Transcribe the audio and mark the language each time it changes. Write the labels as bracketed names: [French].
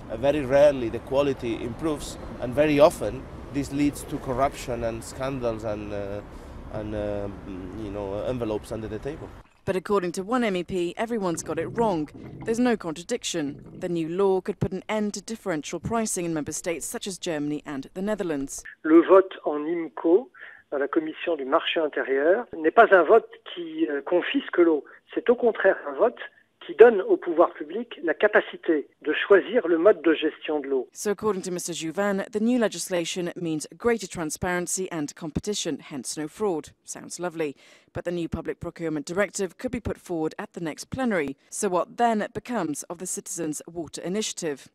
[English] Very rarely the quality improves, and very often this leads to corruption and scandals and envelopes under the table. But according to one MEP, everyone's got it wrong. There's no contradiction. The new law could put an end to differential pricing in member states such as Germany and the Netherlands. [French] Le vote en IMCO dans la commission du marché intérieur n'est pas un vote qui confisque l'eau. C'est au contraire un vote qui donne au pouvoir public la capacité de choisir le mode de gestion de l'eau. [English] So according to Mr. Juvin, the new legislation means greater transparency and competition, hence no fraud. Sounds lovely. But the new public procurement directive could be put forward at the next plenary. So what then becomes of the Citizens' Water Initiative?